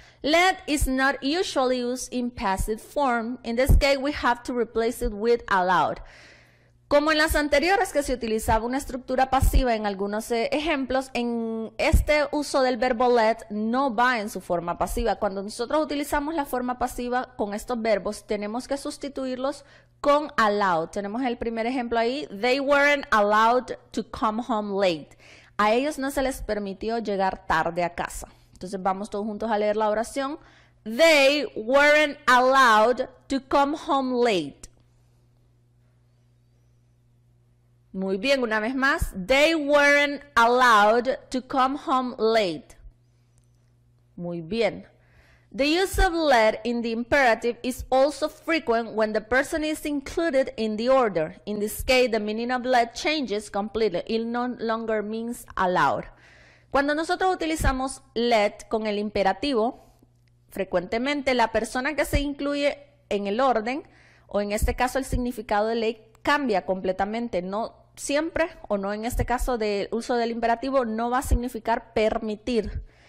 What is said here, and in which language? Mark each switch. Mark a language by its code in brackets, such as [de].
[en] Let is not usually used in passive form. In this case, we have to replace it with allowed. [es] Como en las anteriores que se utilizaba una estructura pasiva en algunos ejemplos, en este uso del verbo let no va en su forma pasiva. Cuando nosotros utilizamos la forma pasiva con estos verbos, tenemos que sustituirlos con allowed. Tenemos el primer ejemplo ahí. [en] They weren't allowed to come home late. [es] A ellos no se les permitió llegar tarde a casa. Entonces vamos todos juntos a leer la oración. [en] They weren't allowed to come home late. [es] Muy bien, una vez más. [en] They weren't allowed to come home late. [es] Muy bien. [en] The use of let in the imperative is also frequent when the person is included in the order. In this case, the meaning of let changes completely. It no longer means allowed. [es] Cuando nosotros utilizamos let con el imperativo, frecuentemente la persona que se incluye en el orden, o en este caso el significado de ley, cambia completamente. No siempre, o no en este caso del uso del imperativo, no va a significar permitir.